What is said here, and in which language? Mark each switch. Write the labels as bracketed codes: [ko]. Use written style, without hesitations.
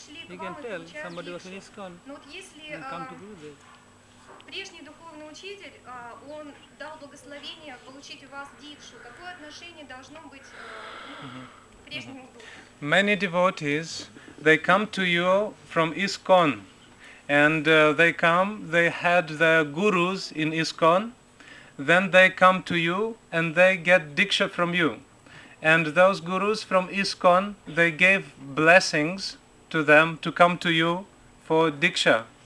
[en] You can tell somebody was in ISKCON and come to Gurudev. [ru] Прежний духовный учитель, он дал благословение получить у вас дикшу. Какое отношение должно быть к прежнему духу? [en] Many devotees, they come to you from ISKCON. And they come, they had the gurus in ISKCON. Then they come to you and they get diksha from you. And those gurus from ISKCON, they gave blessings to them to come to you for diksha.